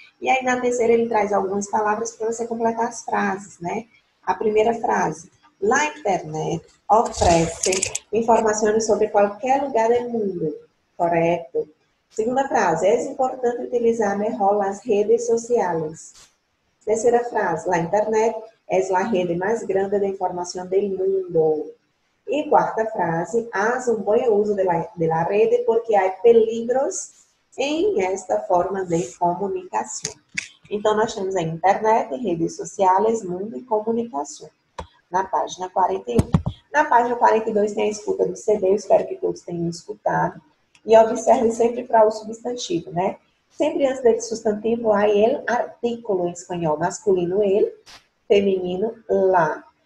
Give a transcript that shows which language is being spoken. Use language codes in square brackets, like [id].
[pt] E aí na terceira ele traz algumas palavras para você completar as frases, né? A primeira frase: La internet oferece informações sobre qualquer lugar do mundo. Correto. Segunda frase: É importante utilizar melhor as redes sociais. [es] Terceira frase: La internet es la red más grande de información del mundo. [pt] E quarta frase, [es] haz un buen uso de la rede porque hay peligros en esta forma de comunicación. [pt] Então, nós temos a internet, redes sociais, mundo e comunicação, na página 41. Na página 42 tem a escuta do CD, eu espero que todos tenham escutado. E observe sempre para o substantivo, né? Sempre antes desse substantivo, há [es] el artículo [pt] em espanhol, masculino el, feminino la.